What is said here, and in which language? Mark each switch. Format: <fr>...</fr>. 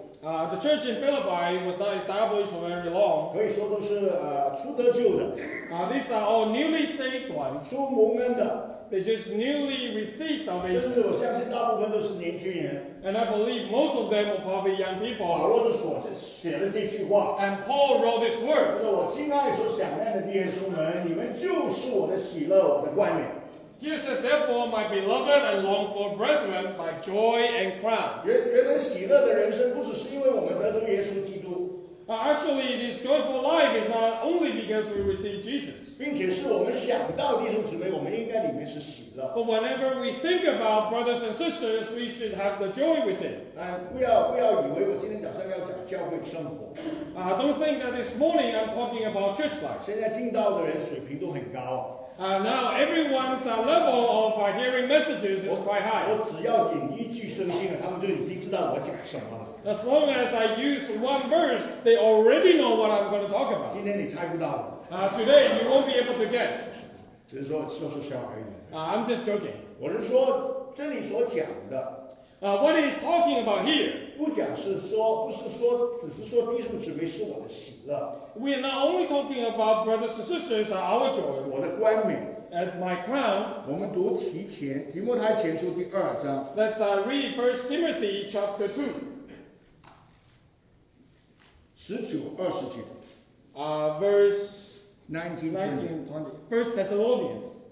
<en>The church in Philippi was not established for very long.</en> <zh>可以说都是初得救的。</zh> <en>These are all newly saved ones.</en> <zh>初蒙恩的。</zh> <en>They just newly received salvation.</en> <zh>甚至我相信大部分都是年轻人。</zh> <en>And I believe most of them are probably young people.</en> <zh>保罗就说这写了这句话。</zh> <en>And Paul wrote this word.</en> <zh>就是我亲爱所想念的弟兄们，你们就是我的喜乐，我的冠冕。</zh> <en>He says, therefore, my beloved and longed-for brethren, my joy and crown.</en> <zh>原来喜乐的人生不只是因为我们得着耶稣基督。</zh> <en>Actually, this joyful life is not only because we receive Jesus.</en> <zh>并且是我们想到弟兄姊妹，我们应该里面是喜乐。</zh> <en>But whenever we think about brothers and sisters, we should have the joy within.</en> <zh>不要以为我今天早上要讲教会生活。</zh> <en>Don't think that this morning I'm talking about church life.</en> <zh>现在进道的人水平都很高。</zh> <en>Now everyone's level of hearing messages is quite high.</en> <zh>我只要引一句圣经，他们就已经知道我讲什么了。</zh> <en>As long as I use one verse, they already know what I'm going to talk about.</en> <zh>今天你猜不到的。</zh> <en>Today you won't be able to get.</en> <zh>只是说说说笑而已。</zh> <en>I'm just joking.</en> <zh>我是说这里所讲的。</zh> <en>What he's talking about here.</en> <zh>不讲是说，不是说，只是说弟兄姊妹是我的喜乐。</zh> <en>We are not only talking about brothers and sisters are our joy.</en> <zh>我的冠冕。</zh> <en>As my crown,</en> <zh>我们读提前提摩太前书第二章。</zh> <en>Let's read First Timothy chapter 2. 19:20. First Thessalonians.</en>